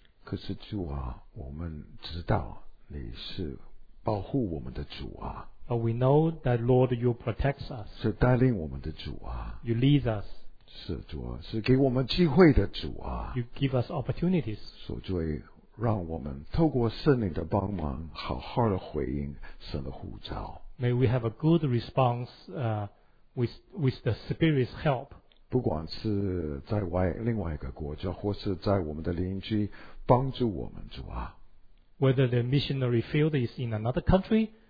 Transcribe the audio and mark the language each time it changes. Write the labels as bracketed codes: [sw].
[zh] 可是主啊，我们知道你是保护我们的主啊。 [en] But we know that Lord, you protect us. [zh] 是带领我们的主啊。 [en] You lead us. [zh] 是主啊，是给我们机会的主啊。 [en] You give us opportunities. [zh] 所以让我们透过圣灵的帮忙，好好的回应神的呼召。 [en] May we have a good response, with the Spirit's help. [zh] 不管是在另外一个国家，或是在我们的邻居，帮助我们主啊。 [en] Whether the missionary field is in another country.